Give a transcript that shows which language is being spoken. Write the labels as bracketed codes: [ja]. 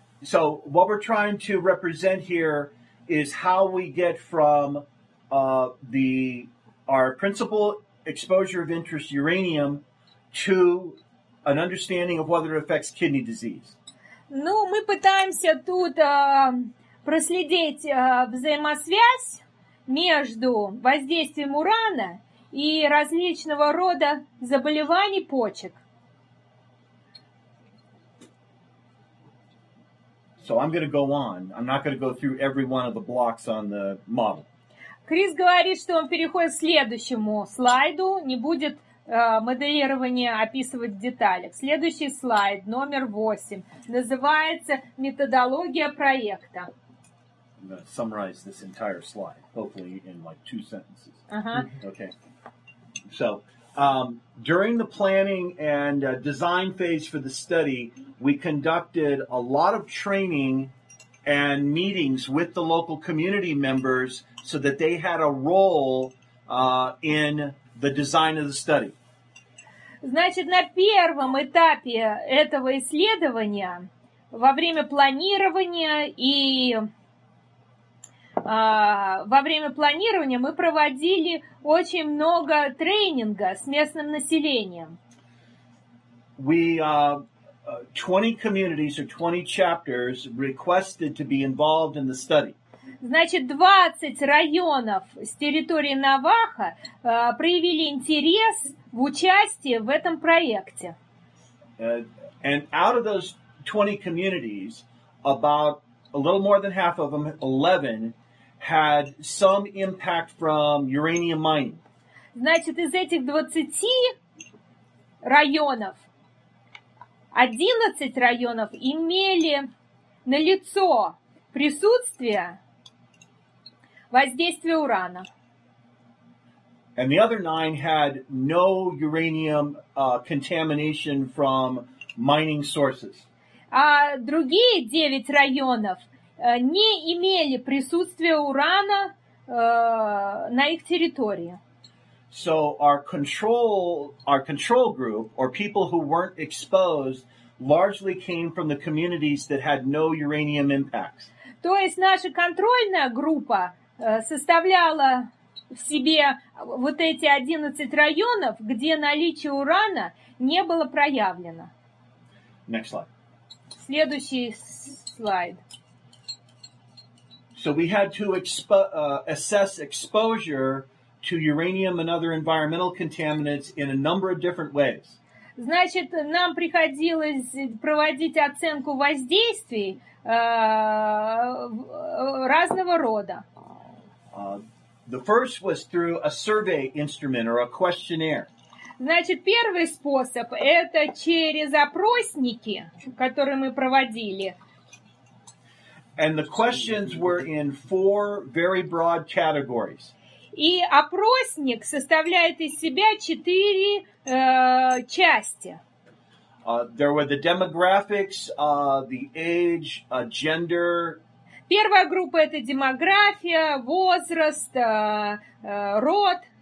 [en] So what we're trying to represent here is how we get from our principal exposure of interest uranium to an understanding of whether it affects kidney disease. [ru] Ну, мы пытаемся тут проследить взаимосвязь между воздействием урана и различного рода заболеваний почек. [en] So I'm going to go on. I'm not going to go through every one of the blocks on the model. [ru] Крис говорит, что он переходит к следующему слайду, не будет моделирование описывать в деталях. Следующий слайд, номер 8, называется методология проекта. [en] I'm going to summarize this entire slide, hopefully in like two sentences. Uh-huh. Okay. So during the planning and design phase for the study, we conducted a lot of training and meetings with the local community members so that they had a role in the design of the study. [ru] Значит, на первом этапе этого исследования, во время планирования и мы проводили очень много тренинга с местным населением. [en] We 20 communities or 20 chapters requested to be involved in the study. [ru] Значит, 20 районов с территории Навахо проявили интерес в участии в этом проекте. [en] And out of those 20 communities, about a little more than half of them, 11, had some impact from uranium mining. [ru] Значит, из этих 20 районов 11 районов имели налицо присутствие воздействия урана. [en] And the other 9 had no uranium contamination from mining sources. [ru] А другие 9 районов не имели присутствия урана на их территории. [en] So our control group, or people who weren't exposed, largely came from the communities that had no uranium impacts. [ru] То есть наша контрольная группа составляла в себе вот эти 11 районов, где наличие урана не было проявлено. [en] Next slide. [ru] Следующий слайд. [en] So we had to assess exposure to uranium and other environmental contaminants in a number of different ways. [ru] Значит, нам приходилось проводить оценку воздействий разного рода. [en] The first was through a survey instrument or a questionnaire. [ru] Значит, первый способ – это через опросники, которые мы проводили. [en] And the questions were in 4 very broad categories. [ru] И опросник составляет из себя 4 части. [en] There were the demographics, the age, gender. [ru] Первая группа – это демография, возраст, род.